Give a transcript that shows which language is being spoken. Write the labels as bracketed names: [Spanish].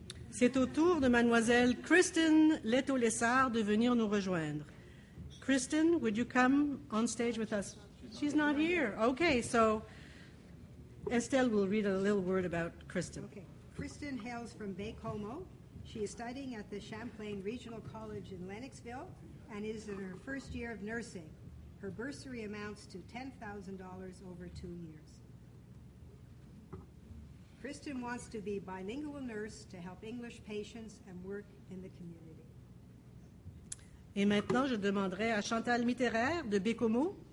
[French] C'est au tour de Mademoiselle Kristen Leto-Lessard de venir nous rejoindre. [English] Kristen, would you come on stage with us? She's not here. Okay, so Estelle will read a little word about Kristen. Okay. Kristen hails from Bay Como. She is studying at the Champlain Regional College in Lennoxville and is in her first year of nursing. Her bursary amounts to $10,000 over 2 years. Kristen wants to be a bilingual nurse to help English patients and work in the community. [French] Et maintenant, je demanderai à Chantal Mitterrand de Bécomo.